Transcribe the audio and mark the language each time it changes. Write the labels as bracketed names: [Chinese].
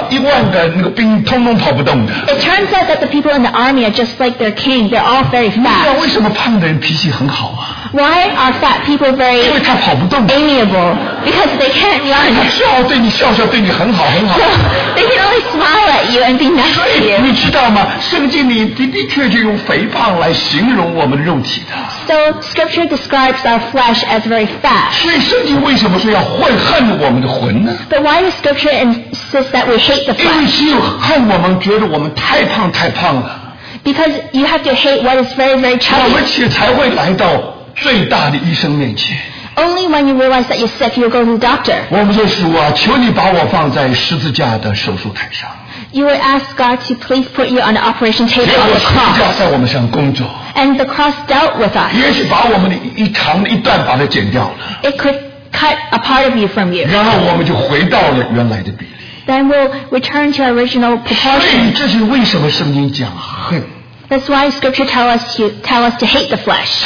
[Chinese] 每一个都是肥胖的，不过一基伦跑不动啊，一万个那个兵通通跑不动的。 [English] It turns out that the people in the army are just like their king. They're all very fat. [Chinese] 你知道为什么胖的人脾气很好啊？ [English] Why are fat people very amiable? Because they can't run. [Chinese] 笑对你笑笑对你很好很好。 [English] They can only smile at you and be nice to you. [Chinese] 你知道吗？圣经里的确就用肥胖来形容我们肉体的。 [English] So scripture describes our flesh as very fat. [Chinese] 所以圣经为什么说要恨我们的魂呢？ [English] But why does scripture insist that we hate the flesh? [Chinese] 因为只有恨我们觉得我们太胖太胖了。 [English] Because you have to hate what is very very chubby. [Chinese] 我们且才会来到 最大的医生面前, [English] only when you realize that you're sick, you'll go to the doctor. [Chinese] 我们说主啊, 求你把我放在十字架的手术台上。 [English] You would ask God to please put you on the operation table on the cross. [Chinese] 结果十字架在我们上工作。 [English] And the cross dealt with us. [Chinese] 也许把我们的一长的一段把它剪掉了。 [English] It could cut a part of you from you. [Chinese] 然后我们就回到了原来的比例。 [English] Then we'll return to our original proportion. [Chinese] 所以这是为什么圣经讲恨。 [English] That's why scripture tell us to hate the flesh.